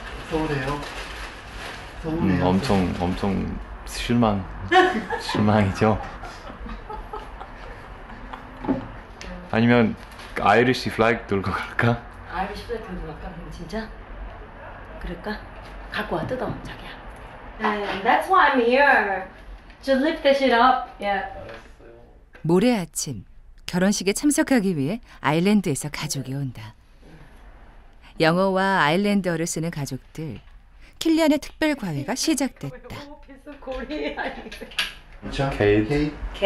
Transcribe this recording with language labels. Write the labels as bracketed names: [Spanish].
[Korean] 서운해요. 엄청 실망. 실망이죠. 아니면 아이리시 플래그 들고 갈까? 아이리시 플래그 들고 갈까? 그럼 진짜? 그럴까? 갖고 와 뜯어 자기야. [English] And that's why I'm here to lift this shit up. Yeah. [Korean] 모레 아침 결혼식에 참석하기 위해 아일랜드에서 가족이 온다. 영어와 아일랜드어를 쓰는 가족들. 킬리안의 특별 과외가 시작됐다. 케이트,